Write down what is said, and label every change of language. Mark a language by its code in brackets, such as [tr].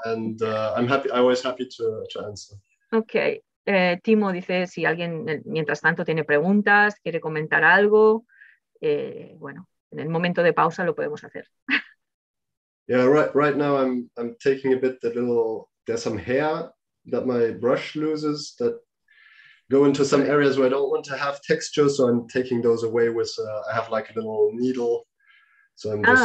[en] And I'm happy, I was happy to answer. Ok. [es] Timo dice, si alguien, mientras tanto, tiene preguntas, quiere comentar algo, bueno, en el momento de pausa lo podemos hacer. [en] Yeah, right now I'm taking a bit the little, there's some hair that my brush loses that go into some areas where I don't want to have texture, so I'm taking those away with, I have like a little needle, so I'm